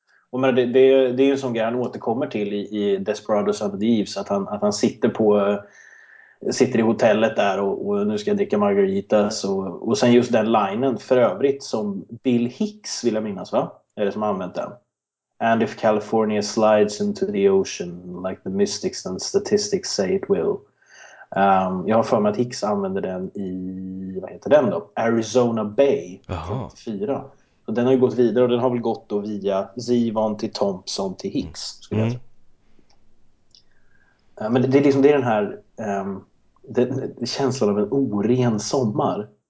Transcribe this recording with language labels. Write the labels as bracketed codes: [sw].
[sv] Och men det är ju en sån grej han återkommer till i Desperados Under the Eaves, att han sitter i hotellet där och nu ska jag dricka margaritas och sen just den linen för övrigt som Bill Hicks, vill jag minnas, va? Är det som har använt den? [en] And if California slides into the ocean like the mystics and statistics say it will. [sv] Jag har för mig att Hicks använder den i, vad heter den då? Arizona Bay 34. Och den har ju gått vidare och den har väl gått då via Zivon till Thompson till Hicks, skulle jag säga. Men det är liksom det är den här den känslan av en oren sommar.